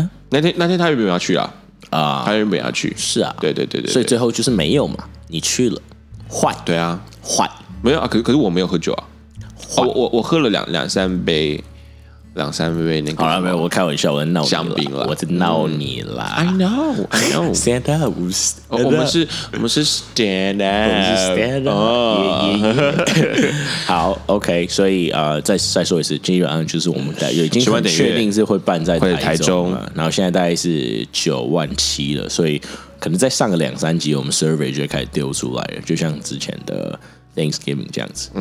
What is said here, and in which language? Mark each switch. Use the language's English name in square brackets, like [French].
[Chinese] 那天他有没有要去啊？啊、他原本要去，是啊，对对 对, 对, 对，所以最后就是没有嘛，你去了，坏，对啊，坏，没有啊，可是我没有喝酒啊，哦、我喝了两三杯。两三杯那个，好了，没有，我开玩笑，我闹香槟了，我在闹你啦。 [English] I know, I know. Stand up, stand up. [Chinese] 我们是 [English] stand up, stand up.、 [Chinese] 好 ，OK， 所以再说一次，今晚上就是我们有已经很确定是会办在台中，台中，然后现在大概是97,000了，所以可能在上个两三集，我们 survey 就开始丢出来了，就像之前的 Thanksgiving 这样子。